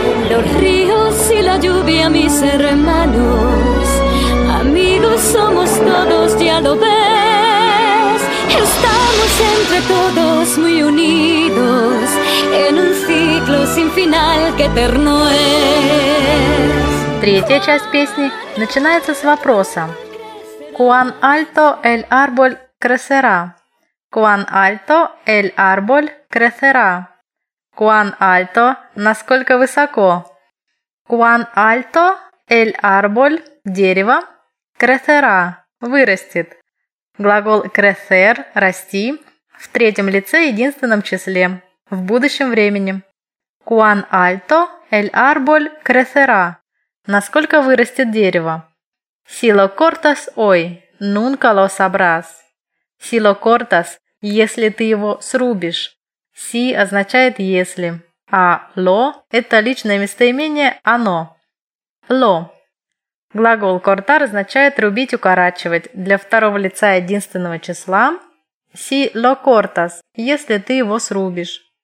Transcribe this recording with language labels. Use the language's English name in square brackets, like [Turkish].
[Spanish] Los ríos y la lluvia, mis hermanos, amigos somos todos, ya lo ves. Estamos entre todos muy unidos, en un ciclo sin final que eterno es. [Russian] Третья часть песни начинается с вопроса. [Spanish] «Cuán alto el árbol crecerá?» «Cuán alto el árbol crecerá?» «Cuán alto?» «Насколько высоко?» «Cuán alto el árbol» «Дерево» «crecerá» «вырастет». [Russian] Глагол «crecer» «расти» в третьем лице единственном числе, в будущем времени. [Spanish] «Cuán alto el árbol crecerá?» [Russian] Насколько вырастет дерево? [Spanish] Si lo cortas hoy, nunca lo sabrás. [Russian] Si lo cortas, если ты его срубишь. Si означает если. А «ло» – это личное местоимение «оно». «Ло». Глагол «кортар» означает «рубить, укорачивать» для второго лица единственного числа «си ло кортас», если ты его срубишь.